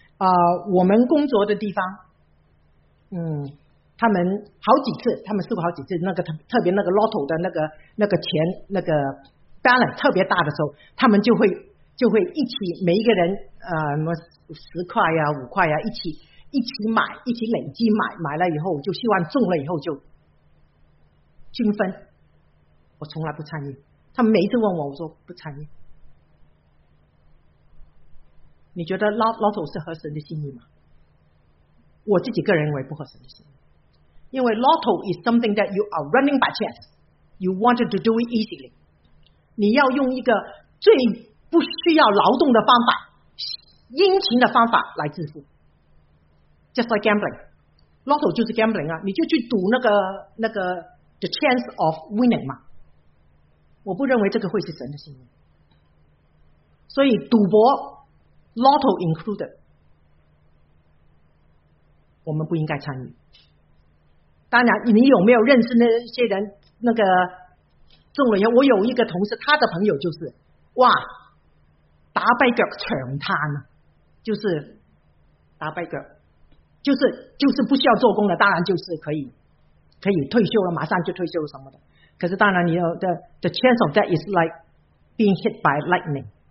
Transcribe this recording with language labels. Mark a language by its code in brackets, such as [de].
[zh] 我们工作的地方，他们好几次，他们试过好几次那个特别那个 lotto 的那个钱，那个 balance 特别大的时候，他们就会一起，每一个人10块呀、5块呀，一起买，一起累积买，买了以后就希望中了以后就均分。我从来不参与，他们每一次问我，我说不参与。你觉得 Lotto 是合神的心意吗？我自己个人认为不合神的心意，因为 [en] Lotto is something that you are running by chance. You wanted to do it easily. [zh] 你要用一个最不需要劳动的方法，殷勤的方法来致富。 [en] Just like gambling. [zh] Lotto 就是 gambling 啊，你就去赌那个 [en] the chance of winning [zh] 嘛。我不认为这个会是神的心意。所以赌博 [en] Lotto included， [zh] 我们不应该参与。当然，你有没有认识那些人？那个中了以后，我有一个同事，他的朋友就是，哇，打败脚长叹啊，就是打败脚，就是不需要做工了，当然就是可以退休了，马上就退休什么的。可是当然你要 [en] the chance of that is like being hit by lightning。